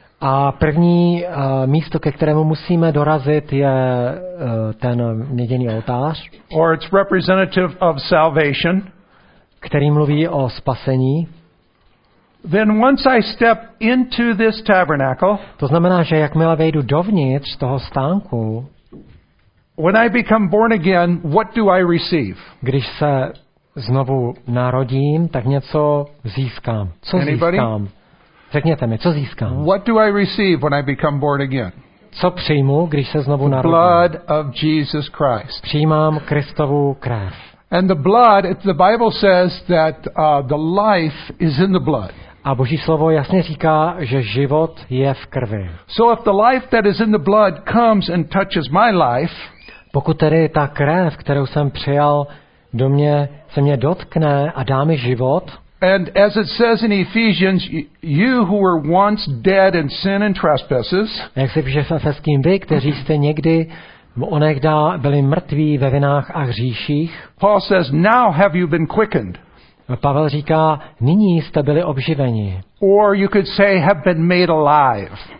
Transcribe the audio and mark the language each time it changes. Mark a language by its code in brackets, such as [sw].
[cs] A první místo, ke kterému musíme dorazit, je ten měděný oltář. [en] Or it's representative of salvation. [cs] Který mluví o spasení. [en] Then once I step into this tabernacle, [cs] to znamená, že jakmile vejdu dovnitř toho stánku, [en] when I become born again, what do I receive? [cs] Když se znovu narodím, tak něco získám. Co [en] anybody? [cs] Získám? Řekněte mi, co získám? [en] What do I receive when I become born again? [cs] Co přijmu, když se znovu narodím? [en] Blood of Jesus Christ. [cs] Přijímám Kristovu krev. [en] And the blood, the Bible says that the life is in the blood. [cs] A Boží slovo jasně říká, že život je v krvi. [en] So if the life that is in the blood comes and touches my life, [cs] pokud tedy ta krev, kterou jsem přijal, do mě se mě dotkne a dá mi život, [en] And as it says in Ephesians, you who were once dead in sin and trespasses. [cs] Jak se píše v Efeským, vy, kteří jste někdy onehdá byli mrtví ve vinách a hříších. [en] Paul says, now have you been quickened? [cs] Pavel říká, nyní jste byli obživeni. [en] Or you could say, have been made alive.